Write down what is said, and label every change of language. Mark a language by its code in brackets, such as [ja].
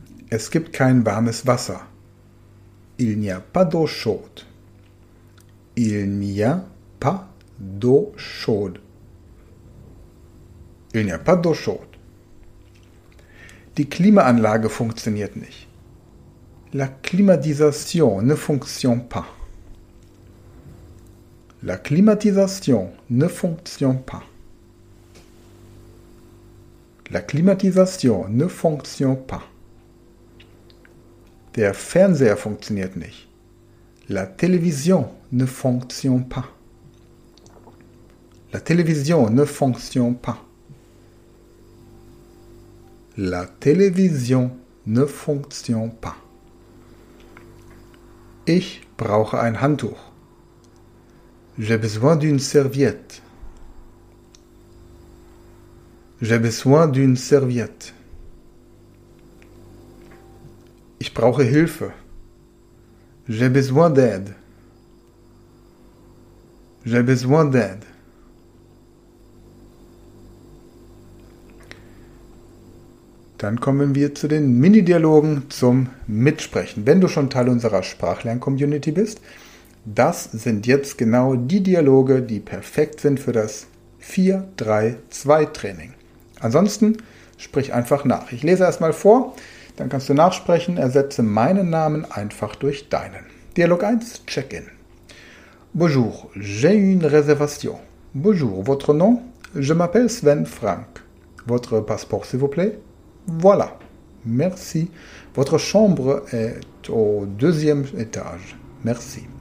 [de] Es gibt kein warmes Wasser. [fr] Il n'y a pas d'eau chaude. Il n'y a pas d'eau chaude. Il n'y a pas d'eau chaude. [de] Die Klimaanlage funktioniert nicht. [fr] La climatisation ne fonctionne pas. La climatisation ne fonctionne pas. La climatisation ne fonctionne pas. [de] Der Fernseher funktioniert nicht. [fr] La télévision ne fonctionne pas. La télévision ne fonctionne pas. La télévision ne fonctionne pas. [de] Ich brauche ein Handtuch. [fr] J'ai besoin d'une serviette. J'ai besoin d'une serviette. [de] Ich brauche Hilfe. [fr] J'ai besoin d'aide. J'ai besoin d'aide. [de] Dann kommen wir zu den Mini-Dialogen zum Mitsprechen. Wenn du schon Teil unserer Sprachlern-Community bist, das sind jetzt genau die Dialoge, die perfekt sind für das 4-3-2-Training. Ansonsten sprich einfach nach. Ich lese erstmal vor, dann kannst du nachsprechen. Ersetze meinen Namen einfach durch deinen. Dialog 1, Check-in. [fr] Bonjour, j'ai une réservation. Bonjour, votre nom? Je m'appelle Sven Frank. Votre passeport, s'il vous plaît? Voilà, merci. Votre chambre est au deuxième étage. Merci.